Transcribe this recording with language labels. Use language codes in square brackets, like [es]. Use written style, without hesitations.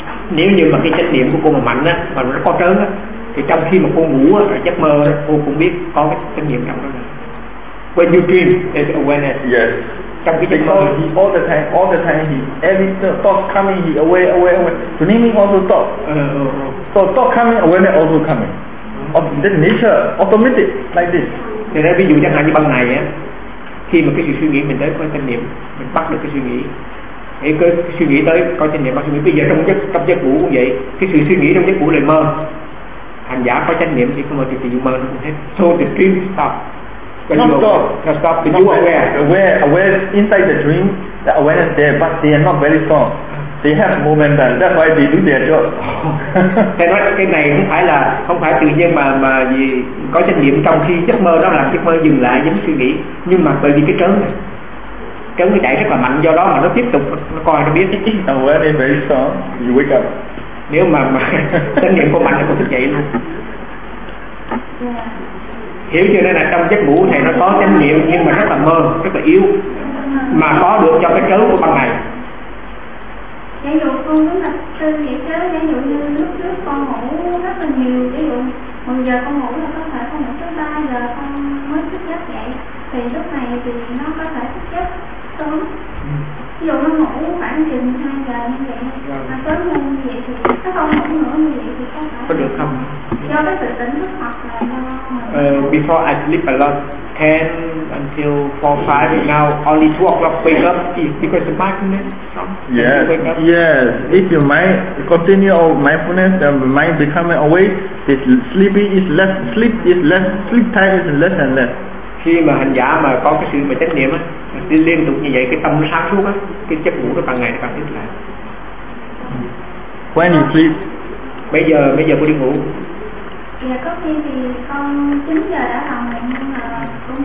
[vi] Nếu như mà cái chánh niệm của cô mà mạnh á, mà nó có trớn á, thì trong khi mà cô ngủ á, giấc mơ á, cô cũng biết có cái chánh niệm trong đó. [en] When you dream, there's awareness. Yes. [vi] Trong cái giấc mơ. [en] He all the time, he, every thought coming, he aware. Dreaming also thought. So thought coming, awareness also coming. Of the nature, automatic, like this. [vi] Thì đây, ví dụ chẳng hạn như ban ngày á, khi mà cái sự suy nghĩ mình tới có chánh niệm, mình bắt được cái suy nghĩ. Thì cứ suy nghĩ tới có chánh niệm, bắt suy nghĩ. Bây giờ trong giấc ngủ cũng vậy, cái sự suy nghĩ trong giấc ngủ là mơ. Hành giả có chánh niệm thì không mơ, thì dù mơ nó cũng hết. [en] So the dream stop. Not stop, but you aware. Aware inside the dream, the awareness there, but they are not very strong. They have momentum, that's why they do their job. [vi] Thầy nói cái này không phải tự nhiên mà gì có trách nhiệm trong khi giấc mơ đó làm giấc mơ dừng lại giống suy nghĩ, nhưng mà bởi vì cái trớn này, trớn cái chạy rất là mạnh, do đó mà nó tiếp tục nó coi nó biết chứ. [en] Oh, well, it's very strong. You wake up. [vi] Nếu mà trách nhiệm của mạnh thì cũng thức dậy luôn. Hiểu chưa? Nên là trong giấc ngủ này nó có trách nhiệm nhưng mà rất là mơ, rất là yếu, mà có được trong cái trớn của ban ngày. Ví dụ con đúng là tư nghĩ chớ, ví dụ như lúc trước con ngủ rất là nhiều, ví dụ 10 giờ con ngủ là có thể con ngủ tới 3 giờ con mới thức giấc dậy, thì lúc này thì nó có thể thức giấc sớm. Ví dụ nó ngủ khoảng chừng 2 giờ như vậy, mà sớm hơn như vậy thì nó không ngủ nữa như vậy thì có thể có được không? Do cái sự tỉnh thức hoặc là do [en] Before I sleep a lot, 10 until 4, 5, now only 2 o'clock wake up because the mindfulness comes. Yes. If your mind continue all mindfulness and mind becoming awake, it's sleepy, it's less sleep time is less and less. [vi] khi mà hành giả mà có cái sự mà chánh niệm á, đi liên tục như vậy, cái tâm nó sáng suốt á, cái giấc ngủ nó càng ngày nó càng tỉnh lại. [en] When you sleep, [vi] bây giờ cô đi ngủ. Dạ có khi thì con 9 giờ đã làm nhưng mà con